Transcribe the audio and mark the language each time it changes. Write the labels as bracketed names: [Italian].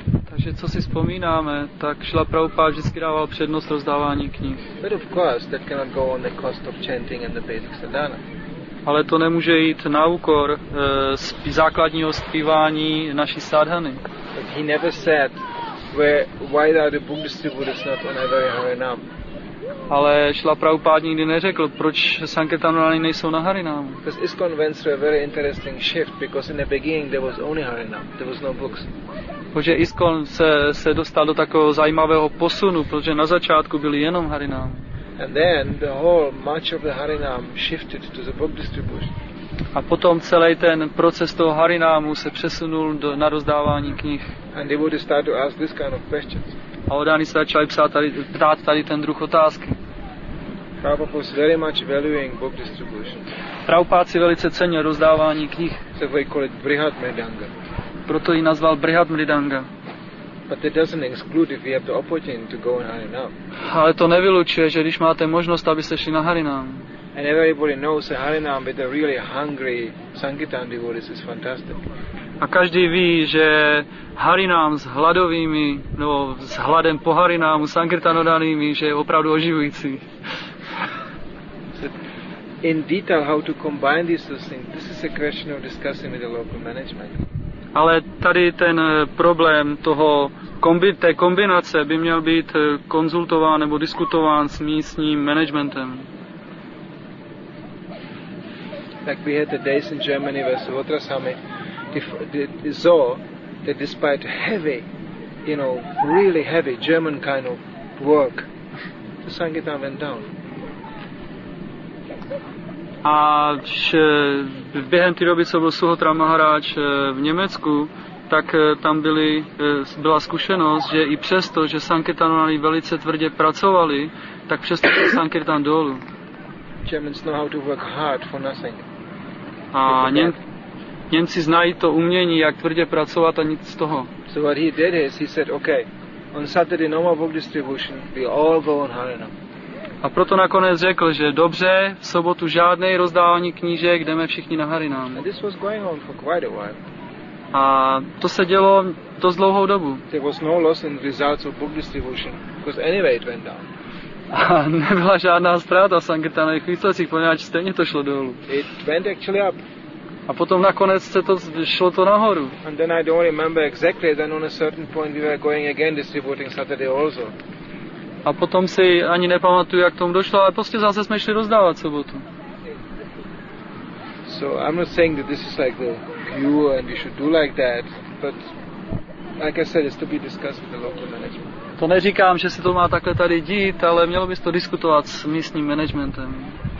[Czech] Takže co si vzpomínáme, tak Srila Prabhupada vždycky dával přednost rozdávání knih. [English] But of course that cannot go on the cost of chanting and the basic sadhana. [Czech] Ale to nemůže jít na úkor základního zpívání naší sadhany. [English] But he never said where, why are the book distributors not on a very harinam? [Czech] Ale Srila Prabhupada nikdy neřekl, proč sankirtanovaní nejsou na harinam. [English] Because ISKCON went through a very interesting shift, because in the beginning there was only harinam, there was no books. [Czech] Protože ISKCON se dostal do takového zajímavého posunu, protože na začátku byly jenom harinam. [English] And then the whole much of the harinam shifted to the book distribution. [Czech] A potom celý ten proces toho harinámu se přesunul na rozdávání knih. [English] And they would start to ask this kind of questions. [Czech] A oddaní se začali ptát tady ten druh otázky. [English] Prabhupada was very much valuing book distribution. [Czech] Prabhupada si velice cenil rozdávání knih. [English] So we call it Brihad Mridanga. [Czech] Proto ji nazval Brihad Mridanga. [English] But it doesn't exclude if we have the opportunity to go on harinám. [Czech] Ale to nevylučuje, že když máte možnost, abyste šli na harinám. [English] And everybody knows a harinam with a really hungry sankirtan devotees is fantastic. [Czech] A každý ví, že harinam s hladovými, no s hladem po harinamu sankirtanodanými, že je opravdu oživující. [English] In detail how to combine these two things, this is a question of discussing with the local management. [Czech] Ale tady ten problém toho té kombinace by měl být konzultován nebo diskutován s místním managementem. [English] Like we had the days in Germany where Svatrasami, the saw that despite heavy, you know, really heavy German kind of work, the sankirtan went down. [Czech] A během té doby, co byl Suhotra Maharaj v Německu, tak tam byla zkušenost, že i přesto, že sankirtanovali velice tvrdě pracovali, tak přesto byl sankirtan dolů. [English] Germans know how to work hard for nothing. [Czech] A Němci znají to umění, jak tvrdě pracovat a nic z toho. [English] So what he did is, he said, okay, on Saturday no more book distribution, we all go on harinam. [Czech] A proto nakonec řekl, že dobře, v sobotu žádnej rozdávání knížek, jdeme všichni na Harinám. [English] And this was going on for quite a while. [Czech] A to se dělo dost dlouhou dobu. [English] There was no loss in results of book distribution, because anyway it went down. [Czech] A nebyla žádná ztráta v sankirtanových výsledcích, poněvadž stejně to šlo dolů. [English] It went actually up. [Czech] A potom nakonec se to šlo to nahoru. [English] And then I don't remember exactly, then on a certain point we were going again distributing Saturday also. [Czech] A potom si ani nepamatuju, jak tomu došlo, ale prostě zase jsme šli rozdávat sobotu. [English] So I'm not saying that this is like the cure and you should do like that, but like I said, it's to be discussed with the local management. [Czech] To neříkám, že se to má takhle tady dít, ale mělo bys to diskutovat s místním managementem.